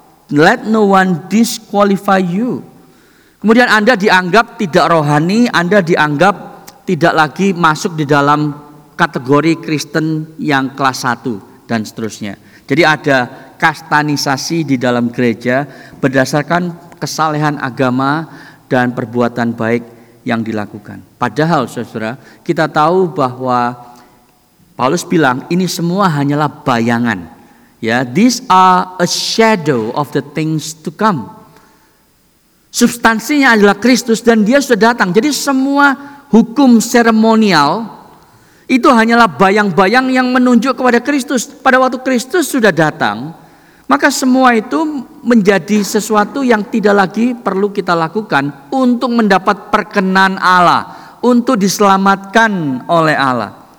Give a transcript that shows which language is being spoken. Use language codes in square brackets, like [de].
[en] Let no one disqualify you. [id] Kemudian Anda dianggap tidak rohani, Anda dianggap tidak lagi masuk di dalam kategori Kristen yang kelas 1 dan seterusnya. Jadi ada kastanisasi di dalam gereja berdasarkan kesalehan agama dan perbuatan baik yang dilakukan. Padahal, Saudara, kita tahu bahwa Paulus bilang ini semua hanyalah bayangan. [en] Ya, these are a shadow of the things to come. [id] Substansinya adalah Kristus dan dia sudah datang. Jadi semua hukum seremonial itu hanyalah bayang-bayang yang menunjuk kepada Kristus. Pada waktu Kristus sudah datang, maka semua itu menjadi sesuatu yang tidak lagi perlu kita lakukan untuk mendapat perkenan Allah, untuk diselamatkan oleh Allah.